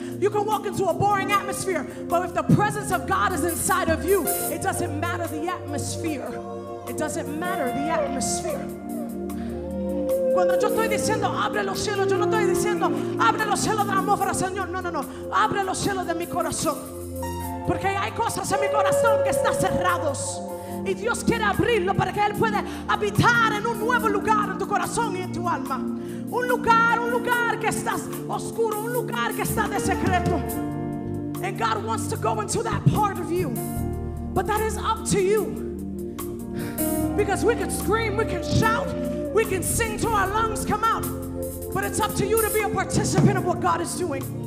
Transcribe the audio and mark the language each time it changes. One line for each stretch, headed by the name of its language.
English: But if the presence of God is inside of you, it doesn't matter the atmosphere. It doesn't matter the atmosphere.
Spanish: Cuando yo estoy diciendo, abre los cielos, yo no estoy diciendo, abre los cielos de la atmósfera, Señor. No, no, no. Abre los cielos de mi corazón. Porque hay cosas en mi corazón que están cerrados. Y Dios quiere abrirlo para que Él pueda habitar en un nuevo lugar en tu corazón y en tu alma. Un lugar que está oscuro, un lugar que está de secreto.
English: And God wants to go into that part of you. But that is up to you. Because we can scream, we can shout, we can sing till our lungs come out. But it's up to you to be a participant of what God is doing.